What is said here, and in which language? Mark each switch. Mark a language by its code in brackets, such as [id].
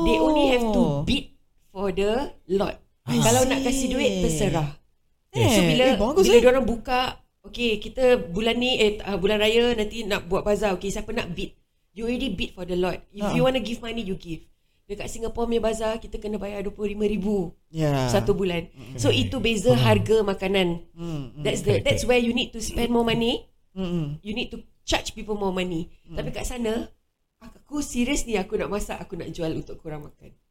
[en] They only have to bid for the lot. [ms] Kalau nak kasih duit, terserah. [en] Yeah. [ms] So, bila diorang buka, okay, kita bulan ni, bulan raya nanti nak buat bazar. Okay, siapa nak bid? [en] You already bid for the lot. If you want to give money, you give. [ms] Dekat Singapore punya bazar, kita kena bayar RM25,000 satu bulan. Okay. So itu beza harga makanan. [en] That's where you need to spend more money. You need to charge people more money. [ms] Tapi kat sana, aku serius ni aku nak masak, aku nak jual untuk korang makan.